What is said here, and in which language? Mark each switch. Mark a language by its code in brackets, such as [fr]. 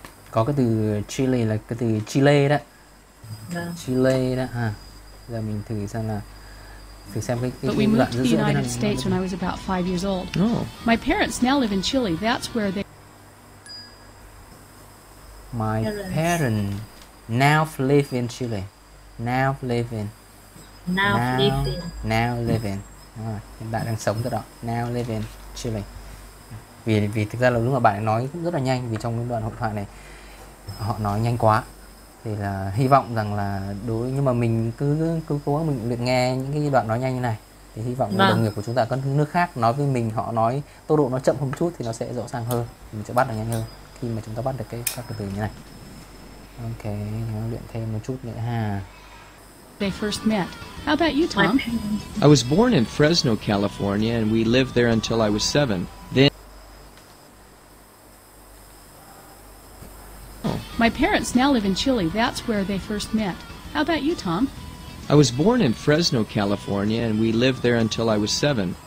[vi] Có cái từ Chile là cái từ Chile đó. Yeah. Chile đó ha. Giờ mình thử xem là thử xem cái [en] But we moved to the United States when I was about 5 years old. Oh. My parents now live in Chile. That's where they. My parents now live in Chile. Now live in. Now live in. [vi] À, bạn đang sống rồi đó. [en] Now live in Chile. [vi] Vì thực ra là lúc mà bạn nói cũng rất là nhanh vì trong cái đoạn hội thoại này họ nói nhanh quá. Thì là hy vọng rằng là đối nhưng mà mình cứ cố mình luyện nghe những cái đoạn nói nhanh như này thì hy vọng là đồng nghiệp của chúng ta có nước khác nói với mình họ nói tốc độ nó chậm hơn chút thì nó sẽ rõ ràng hơn, mình sẽ bắt được nhanh hơn khi mà chúng ta bắt được cái các cái từ như này. Ok, luyện thêm một chút nữa ha. [en] They first met. How about you, Tom? I was born in Fresno, California, and we lived there until I was 7. My parents now live in Chile. That's where they first met. How about you, Tom? I was born in Fresno, California, and we lived there until I was 7.